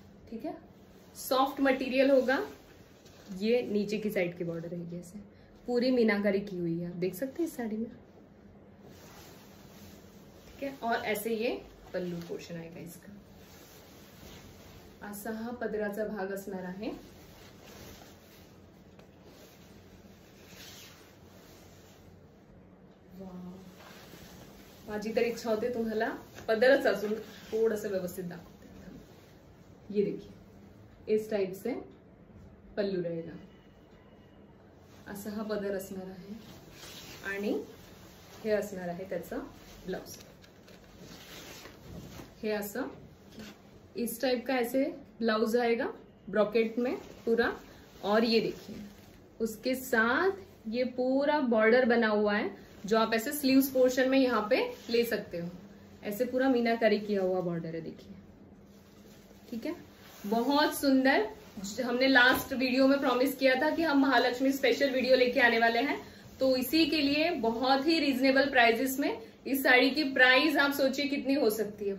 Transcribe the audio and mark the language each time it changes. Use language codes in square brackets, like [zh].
[hi] ठीक है, soft material होगा, ये नीचे की साइड की बॉर्डर रहेगी। ऐसे पूरी मीनाकारी की हुई है, आप देख सकते हैं इस साड़ी में। ठीक है, और ऐसे ये पल्लू पोर्शन आएगा इसका। [mr] असा हा पदराचा भाग असणार आहे। माझी तर इच्छा होते तुम्हाला पदरच असून थोडस व्यवस्थित दाखवते। [hi] ये देखिए इस टाइप से पल्लू रहेगा, [mr] असा हा पदर असणार आहे। आणि हे असणार आहे त्याचं ब्लाउज, हे असं [hi] इस टाइप का ऐसे ब्लाउज आएगा ब्रॉकेट में पूरा। और ये देखिए उसके साथ ये पूरा बॉर्डर बना हुआ है जो आप ऐसे स्लीव्स पोर्शन में यहाँ पे ले सकते हो। ऐसे पूरा मीनाकारी किया हुआ बॉर्डर है देखिए। ठीक है, बहुत सुंदर। हमने लास्ट वीडियो में प्रॉमिस किया था कि हम महालक्ष्मी स्पेशल वीडियो लेके आने वाले हैं, तो इसी के लिए बहुत ही रीजनेबल प्राइजेस में इस साड़ी की प्राइस आप सोचिए कितनी हो सकती है।